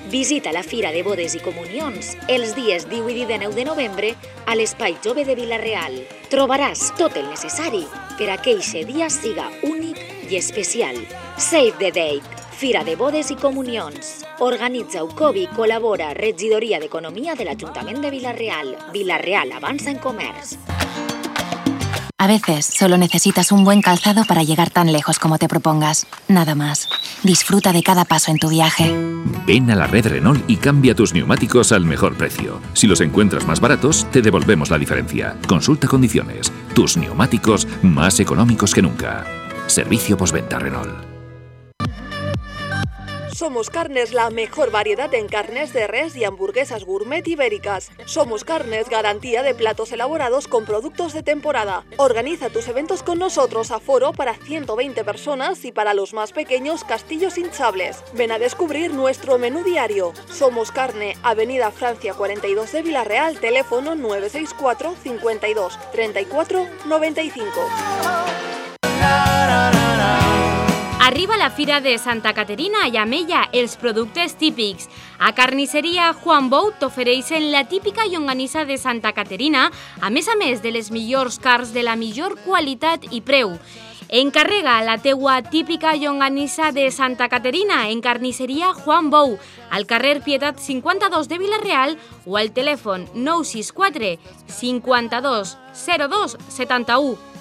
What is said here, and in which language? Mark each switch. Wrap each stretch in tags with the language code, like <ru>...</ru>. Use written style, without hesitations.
<ca>Visita la Fira de Bodes i Comunions els dies 10 i 19 de novembre a l'Espai Jove de Vila-real. Trobaràs tot el necessari per a que eixe dia siga únic i especial.</ca> <en>Save the date!</en> <ca>Fira de Bodes i Comunions. Organitza UCOBI, col·labora Regidoria d'Economia de l'Ajuntament de Vila-real. Vila-real avança en comerç.</ca> <es>A veces solo necesitas un buen calzado para llegar tan lejos como te propongas. Nada más. Disfruta de cada paso en tu viaje. Ven a la red Renault y cambia tus neumáticos al mejor precio. Si los encuentras más baratos, te devolvemos la diferencia. Consulta condiciones. Tus neumáticos más económicos que nunca. Servicio postventa Renault. Somos Carnes, la mejor variedad en carnes de res y hamburguesas gourmet ibéricas. Somos Carnes, garantía de platos elaborados con productos de temporada. Organiza tus eventos con nosotros, aforo para 120 personas y para los más pequeños, castillos hinchables. Ven a descubrir nuestro menú diario. Somos Carne, Avenida Francia 42 de Vila-real, teléfono 964 52 34 95.</es> <ca>Arriba la Fira de Santa Caterina i amb ella els productes típics. A Carnisseria Juan Bou t'ofereixen la típica llonganissa de Santa Caterina, a més de les millors carns de la millor qualitat i preu. Encarrega la teua típica llonganissa de Santa Caterina en Carnisseria Juan Bou, al carrer Pietat 52 de Vila-real o al telèfon 964 52 02 71.</ca>